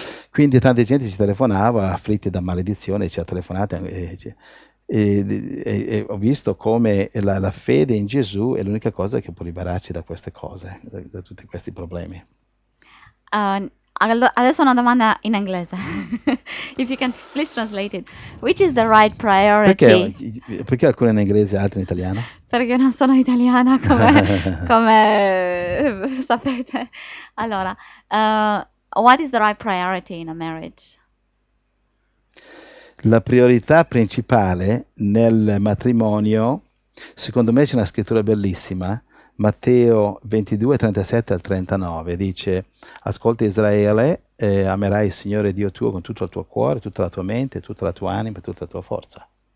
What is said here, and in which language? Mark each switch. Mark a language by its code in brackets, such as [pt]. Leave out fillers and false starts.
[it] Quindi tanta gente ci telefonava, afflitti da maledizione, ci ha telefonato e ho visto come la fede in Gesù è l'unica cosa che può liberarci da queste cose, da tutti questi problemi. Adesso una domanda in inglese. [en] If you can, please translate it. Which is the right priority? [it] Perché alcune in inglese e altre in italiano? Perché non sono italiana, come sapete. [en] Allora, what is the right priority in a marriage? [it] La priorità principale nel matrimonio, secondo me c'è una scrittura bellissima, Matteo 22, 37 al 39, dice: Ascolta Israele, amerai il Signore Dio tuo con tutto il tuo cuore, tutta la tua mente, tutta la tua anima, tutta la tua forza.